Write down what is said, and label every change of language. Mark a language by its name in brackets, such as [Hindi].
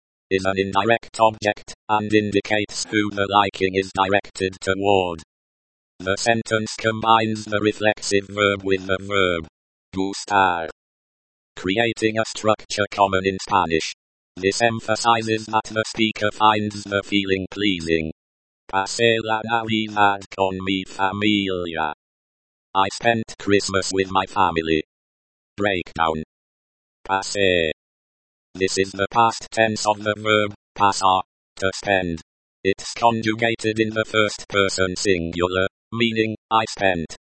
[English] is an indirect object, and indicates who the liking is directed toward. The sentence combines the reflexive verb with the verb, [Spanish] gustar, [English] creating a structure common in Spanish. This emphasizes that the speaker finds the feeling pleasing. [Spanish] Pasé la Navidad con mi familia. [English] I spent Christmas with my family. Breakdown. [Spanish] Pasé. [English] This is the past tense of the verb, pasar, to spend. It's conjugated in the first person singular, meaning, I spent